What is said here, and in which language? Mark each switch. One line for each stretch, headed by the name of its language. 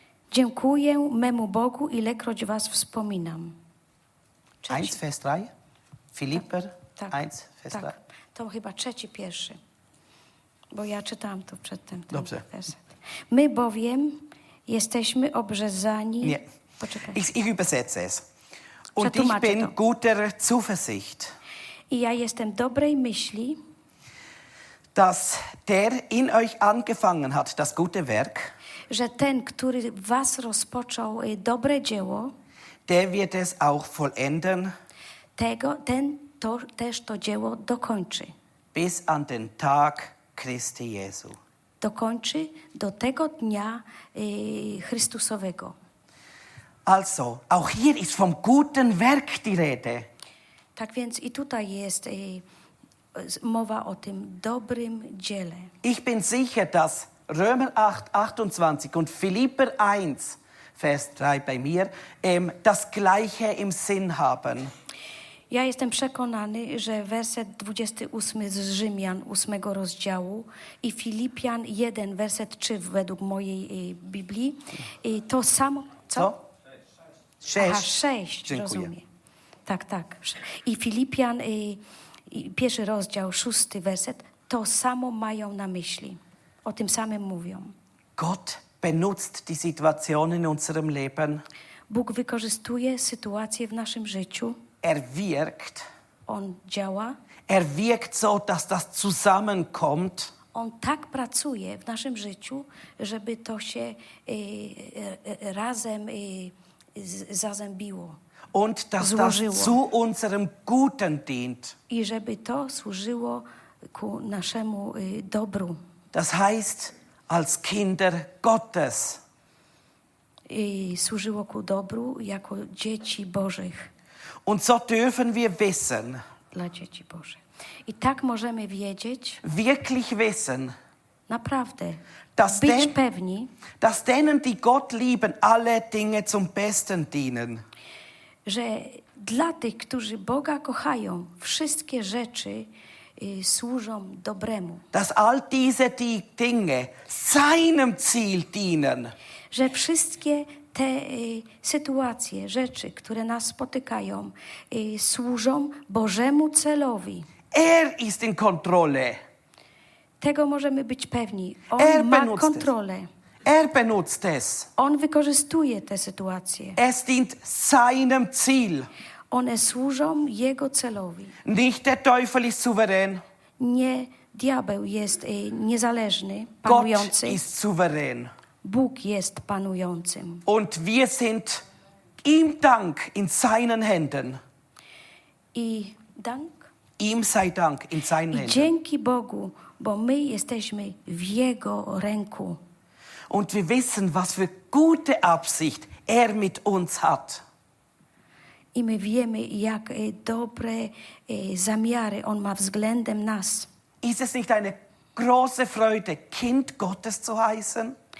Polish: Dziękuję memu Bogu, ilekroć was wspominam.
German: 1, Vers 3? Filipper 1, Vers 3?
Polish: To chyba trzeci, pierwszy. Bo ja czytałam to przedtem. Dobrze. My bowiem jesteśmy obrzezani... Nie. Poczekaj.
German: Ich übersetze es. Und ich bin guter Zuversicht.
Polish: I ja jestem dobrej myśli.
German: dass der in euch angefangen hat, das gute Werk,
Polish: że ten, który w was rozpoczął dobre dzieło,
German: der wird es auch vollenden,
Polish: tego, ten to, też to dzieło dokończy,
German: bis an den Tag Christi Jesu.
Polish: Dokończy do tego dnia Chrystusowego.
German: Also, auch hier ist vom guten Werk die Rede.
Polish: Tak więc i tutaj jest mowa o tym dobrym dziele.
German: Ich bin sicher, dass Römer 8, 28 und Philipper 1, Vers 3 bei mir, das Gleiche im Sinn haben.
Polish: Ja jestem przekonany, że werset 28 z Rzymian 8 rozdziału i Filipian 1, werset 3 według mojej Biblii, to samo, co? 6. 6, rozumiem. Tak, tak. I Filipian, pierwszy rozdział, szósty werset, to samo mają na myśli. O tym samym mówią.
German: Gott benutzt die Situation in unserem Leben.
Polish: Bóg wykorzystuje sytuację w naszym życiu.
German: Er wirkt.
Polish: On działa.
German: Er wirkt so, dass das zusammenkommt.
Polish: On tak pracuje w naszym życiu, żeby to się razem zazębiło.
German: Und dass das zu unserem Guten dient.
Polish: I żeby to służyło ku naszemu dobru.
German: Das heißt, als Kinder Gottes.
Polish: I służyło ku dobru jako dzieci Bożych.
German: Und so dürfen wir wissen.
Polish: Dla dzieci Bożych. I tak możemy wiedzieć.
German: Wirklich wissen.
Polish: Naprawdę. Dass być den, pewni.
German: Dass denen, die Gott lieben, alle Dinge zum Besten dienen.
Polish: Że dla tych, którzy Boga kochają, wszystkie rzeczy służą dobremu.
German: Dass all diese die Dinge seinem Ziel dienen.
Polish: Że wszystkie te sytuacje, rzeczy, które nas spotykają, służą Bożemu celowi.
German: Er ist in Kontrolle.
Polish: Tego możemy być pewni. On er ma kontrolę.
German: Es. Er benutzt es.
Polish: On wykorzystuje te sytuacje.
German: Es dient seinem Ziel.
Polish: One służą jego celowi.
German: Nicht der Teufel ist souverän.
Polish: Nie diabeł jest niezależny, panujący.
German: Gott ist souverän.
Polish: Bóg jest panującym.
German: Und wir sind ihm Dank in seinen Händen.
Polish: I dank?
German: Ihm sei Dank in seinen Händen.
Polish: Dzięki Bogu, bo my jesteśmy w jego ręku.
German: Und wir wissen, was für gute Absicht er mit uns hat.
Polish: I my wiemy, jak dobre zamiary on ma względem nas.
German: Ist es nicht eine große Freude, Kind Gottes zu heißen?